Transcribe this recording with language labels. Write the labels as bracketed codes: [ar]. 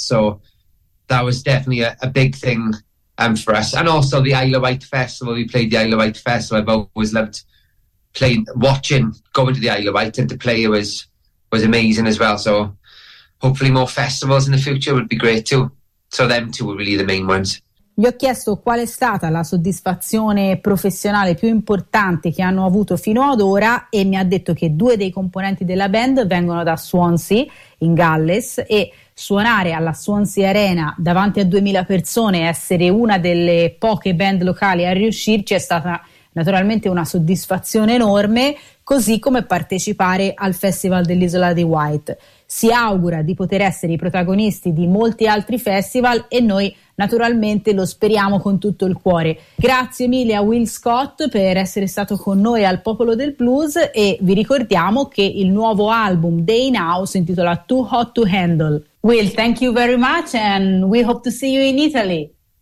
[en] So that was definitely a big thing for us. And also the Isle of Wight Festival. We played the Isle of Wight Festival. I've always loved going to the Isle of Wight, and to play it was amazing as well. So hopefully more festivals in the future would be great too. So them two were really the main ones. [it] Gli ho chiesto qual è stata la soddisfazione professionale più importante che hanno avuto fino ad ora e mi ha detto che due dei componenti della band vengono da Swansea in Galles e suonare alla Swansea Arena davanti a 2000 persone, essere una delle poche band locali a riuscirci, è stata naturalmente una soddisfazione enorme, così come partecipare al Festival dell'Isola di Wight. Si augura di poter essere i protagonisti di molti altri festival e noi naturalmente lo speriamo con tutto il cuore. Grazie mille a Will Scott per essere stato con noi al Popolo del Blues e vi ricordiamo che il nuovo album Day Now si intitola Too Hot to Handle. [en] Will, thank you very much and we hope to see you in Italy.